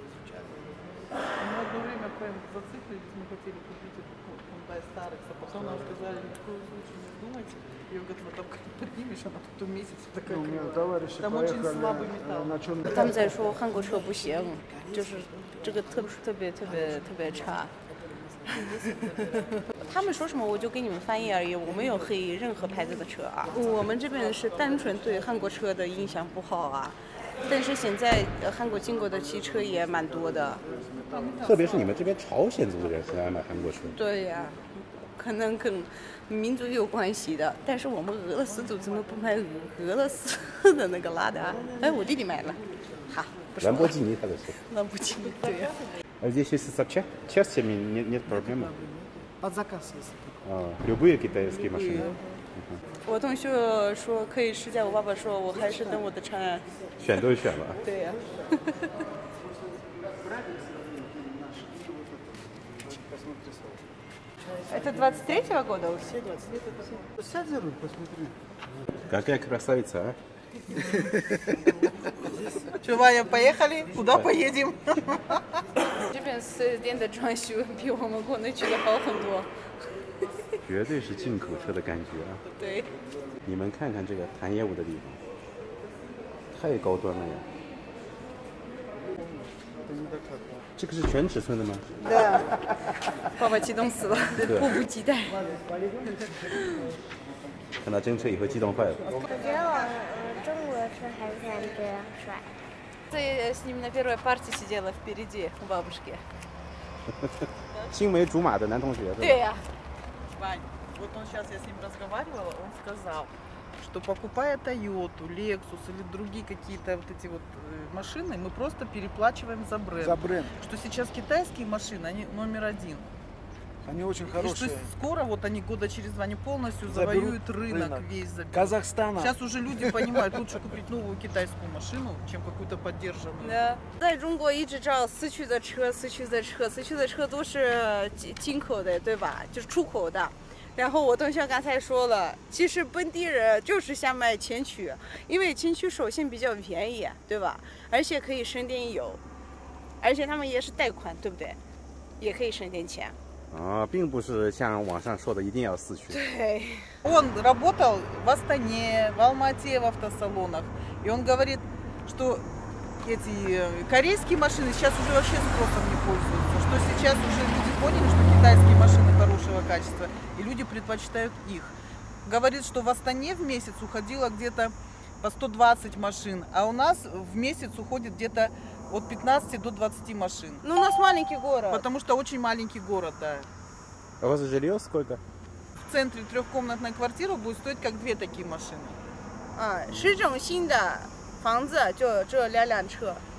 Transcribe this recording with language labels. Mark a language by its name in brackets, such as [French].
[Russian] Много время прям зациклились, мы хотели купить этот Hyundai старый, а потом нам сказали, ни в коем случае не думайте. И он говорит, ну там поднимешь, она тут месяц такая кривая. Ну, товарищи, там поехали, очень слабый металл. На чем... Там, знаешь, что ханго-чо не сим. Это [Chinese] 特别差. 他们说什么我就给你们翻译而已，我没有黑任何牌子的车啊。我们这边是单纯对韩国车的印象不好啊，但是现在韩国进口的汽车也蛮多的，特别是你们这边朝鲜族的人很爱买韩国车。对呀、啊，可能跟民族有关系的。但是我们俄罗斯族怎么不买俄罗斯的那个拉达？哎，我弟弟买了，好，兰博基尼他的车。兰博基尼，对呀、啊。 [Russian] Здесь есть сообща? Часть семьи, нет проблемы? Под заказ есть. Любые китайские машины? [Chinese] 我同学说可以试驾，我爸爸说我还是等我的车。选都选了。对呀、啊。 [Russian] Это 23-го года? Все 23-го. Какая красавица, а? Что, Ваня, поехали? Куда поедем? [Chinese] 这边四 S 店的装修比我们国内去的好很多，绝对是进口车的感觉啊！对，你们看看这个谈业务的地方，太高端了呀！这个是全尺寸的吗？对，爸爸激动死了，迫不及待。看到真车以后激动坏了。我觉得我中国车还是感觉帅。 [Russian] Это я с ним на первой парте сидела впереди у бабушки. [Chinese] 青梅竹马的男同学。对呀、啊。 [Russian] Вань, вот он сейчас я с ним разговаривала, он сказал, что покупая Toyota, Lexus или другие какие-то вот эти вот машины, мы просто переплачиваем за бренд. За бренд. Что сейчас китайские машины, они номер один. Они очень хорошие. И что скоро вот они года через два, они полностью завоюют рынок весь. Заберут. Казахстана. Сейчас уже люди понимают, лучше купить новую китайскую машину, чем какую-то поддержанную. Да. В Китае я всегда знал, сыщущие за [Chinese] 车, [Russian] это же тинкоды, да? Это же чукоды. [Chinese] 然后我同学刚才说了，其实本地人就是想买前驱，因为前驱首先比较便宜，对吧？而且可以省点油，而且他们也是贷款，对不对？也可以省点钱。啊、并不是像网上说的一定要四驱。对。 [Russian] Он работал в Астане, в Алмате, в автосалонах. И он говорит, что эти корейские машины сейчас уже вообще спросом не пользуются. Что сейчас уже люди поняли, что китайские машины хорошего качества. И люди предпочитают их. Говорит, что в Астане в месяц уходило где-то по 120 машин. А у нас в месяц уходит где-то... От 15 до 20 машин. Ну, у нас маленький город. Потому что очень маленький город, да. А у вас жилье сколько? В центре трехкомнатная квартира будет стоить как две такие машины. [Chinese] А, 市中心的房子就这两辆车。